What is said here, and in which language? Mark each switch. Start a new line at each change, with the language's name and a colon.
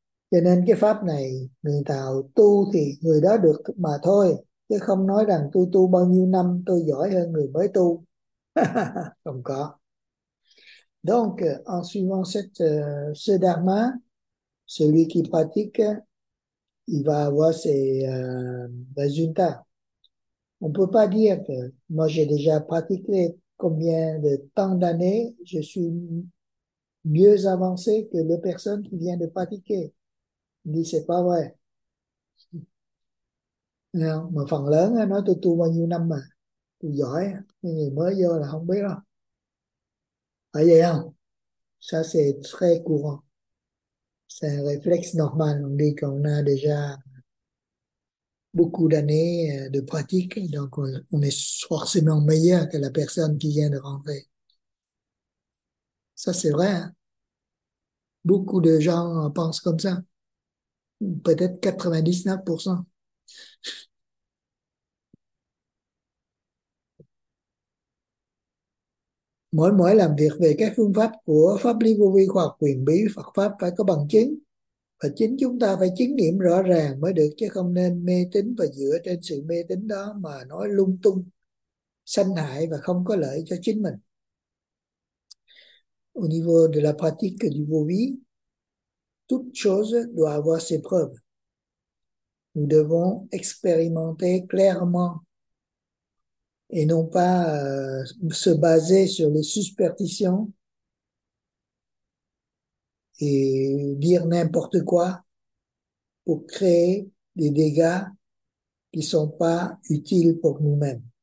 Vietnamese: Cho nên cái pháp này người nào tu thì người đó được mà thôi, chứ không nói rằng tôi tu bao nhiêu năm tôi giỏi hơn người mới tu. Không có.
French: Donc, en suivant ce dharma, celui qui pratique, il va avoir ses résultats. On ne peut pas dire que moi j'ai déjà pratiqué combien de temps d'années, je suis mieux avancé que la personne qui vient de pratiquer. Il dit, c'est pas vrai.
Vietnamese: Mà phần lớn nó nói tôi tu bao nhiêu năm mà. Tôi giỏi, cái người mới vô là không biết đâu. Phải vậy không?
French: Ça c'est très courant. C'est un réflexe normal. On dit qu'on a déjà beaucoup d'années de pratique, donc on est forcément meilleur que la personne qui vient de rentrer. Ça c'est vrai, hein? Beaucoup de gens pensent comme ça. Peut-être 99%.
Vietnamese: Mỗi mỗi làm việc về các phương pháp của Pháp Lý Vô Vi, khoa học quyền bí, Phật Pháp phải có bằng chứng. Và chính chúng ta phải chứng nghiệm rõ ràng mới được, chứ không nên mê tín và dựa trên sự mê tín đó mà nói lung tung, sanh hại và không có lợi cho chính mình.
French: Au niveau de la pratique du Vô Vi, toute chose doit avoir ses preuves. Nous devons expérimenter clairement et non pas se baser sur les superstitions et dire n'importe quoi pour créer des dégâts qui sont pas utiles pour nous-mêmes.